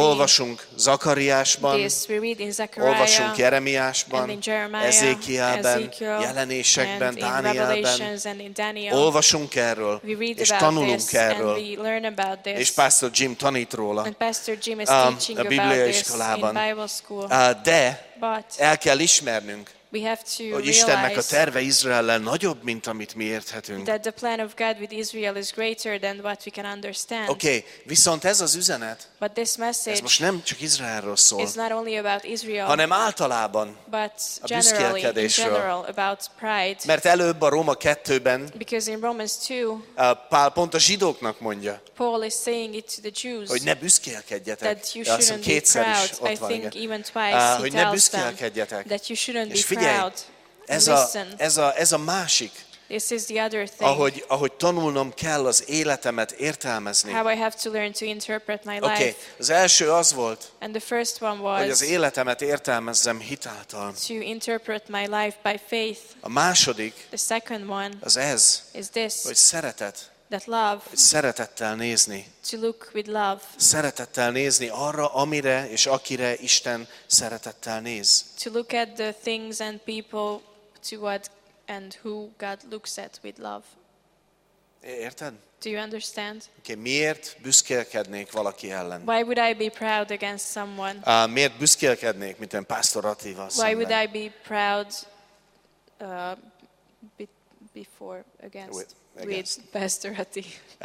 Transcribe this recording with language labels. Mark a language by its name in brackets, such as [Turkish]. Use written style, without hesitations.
[Hungarian] olvasunk Zakariásban, olvasunk Jeremiásban, Ezékiában, Jelenésekben, Dánielben, olvasunk erről, és tanulunk erről, és Pastor Jim tanít róla a Biblia iskolában. De el kell ismernünk, [English] we have to [Hungarian] hogy Istennek a terve Izraellel nagyobb, mint amit mi érthetünk. [English] That the plan of God with Israel is greater than what we can understand. [Hungarian] Okay, viszont ez az üzenet, [English] but this message, [Hungarian] ez most nem csak Izraelről szól, [English] is not only about Israel, [Hungarian] hanem általában [English] but [Hungarian] a büszkélkedésről. [English] In general about pride, [Hungarian] mert előbb a Róma 2-ben, [English] because in Romans 2, [Hungarian] Pál pont a zsidóknak mondja, [English] Paul is saying it to the Jews, [Hungarian] hogy ne büszkélkedjetek. [English] That you shouldn't be proud. I think even twice [Hungarian] hogy ne büszkélkedjetek. [English] That you shouldn't be proud. [Hungarian] Figyelj, ez a másik, [English] this is the other thing, [Hungarian] ahogy tanulnom kell az életemet értelmezni. [English] How I have to learn to interpret my life. [Hungarian] Okay, az első az volt, [English] and the first one was, [Hungarian] hogy az életemet értelmezzem hitáltal. [English] To interpret my life by faith. [Hungarian] A második, [English] the second one, [Hungarian] az ez, [English] is this, [Hungarian] hogy szeretet, [English] that love, [Hungarian] hogy szeretettel nézni. [English] To look with love. [Hungarian] Szeretettel nézni arra, amire és akire Isten szeretettel néz. [English] To look at the things and people to what and who God looks at with love. [Hungarian] Érted? [English] Do you understand? [Hungarian] Okay, miért büszkélkednék valaki ellen? [English] Why would I be proud against someone? [Hungarian] Miért büszkélkednék, mint egy Pastor Attival szemben? [English] Why would I be proud before against, with, against with Pastor Atti?